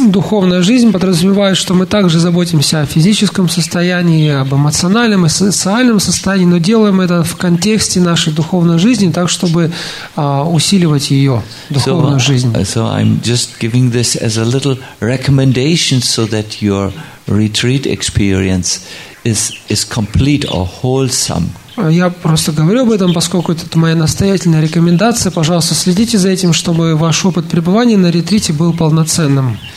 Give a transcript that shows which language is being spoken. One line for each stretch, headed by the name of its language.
Russian: Духовная жизнь подразумевает, что мы также заботимся о физическом состоянии, об эмоциональном и социальном состоянии, но делаем это в контексте нашей духовной жизни, так чтобы усиливать ее духовную жизнь.
English: So I'm just giving this as a little recommendation so that your retreat experience is complete or wholesome.
Russian: Я просто говорю об этом, поскольку это моя настоятельная рекомендация. Пожалуйста, следите за этим, чтобы ваш опыт пребывания на ретрите был полноценным.